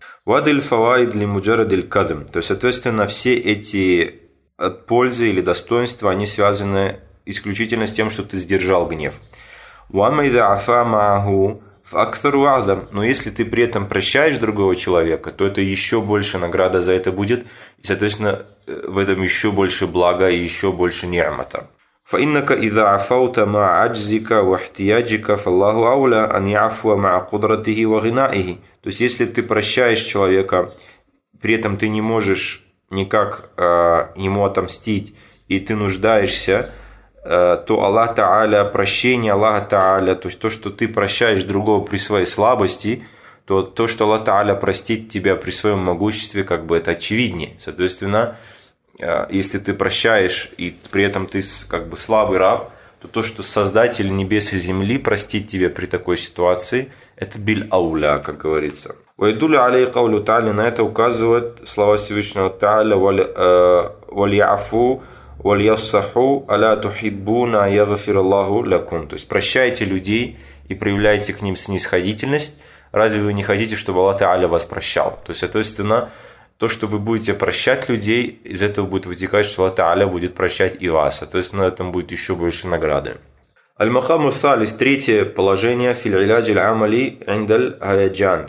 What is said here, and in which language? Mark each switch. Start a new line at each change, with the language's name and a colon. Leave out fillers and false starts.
Arabic: Вадиль фаваид ли муджарадиль кадым.
Russian: То есть, соответственно, все эти пользы или достоинства, они связаны исключительно с тем, что ты сдержал гнев.
Arabic: Вама ида афа маху.
Russian: Но если ты при этом прощаешь другого человека, то это еще больше награда за это будет, и, соответственно, в этом еще больше блага и еще больше ни'мата.
Arabic: فإنك إذا عفوت مع عجزك واحتياجك فالله أولى أن يعفو مع قدرته وغنائه.
Russian: То есть если ты прощаешь человека, при этом ты не можешь никак ему отомстить, и ты нуждаешься, то Аллах Та'аля, прощение Аллаха Та'аля, то есть то, что ты прощаешь другого при своей слабости, то, что Аллах Та'аля простит тебя при своем могуществе, как бы это очевиднее. Соответственно, если ты прощаешь, и при этом ты как бы слабый раб, то, что Создатель небес и земли простит тебя при такой ситуации, это биль ауля, как говорится.
Arabic: وَيَدُلُّ عَلَيْهِ قَوْلُ تَعَالَى
Russian: на это указывают слова Всевышнего Та'аля
Arabic: وَلْيَعْفُوا وَلْيَفْصَحُوا أَلَا تُحِبُّونَ يَغْفِرَ اللَّهُ لَكُمْ.
Russian: То есть прощайте людей и проявляйте к ним снисходительность, разве вы не хотите, чтобы Аллах Та'аля вас прощал? То есть, соответственно, то, что вы будете прощать людей, из этого будет вытекать, что Аллах Та'аля будет прощать и вас. Соответственно, на этом будет еще больше награды.
Arabic: Аль-Махаму Салис,
Russian: третье положение,
Arabic: филь-иляджи аль-амали индаль-хаяджан.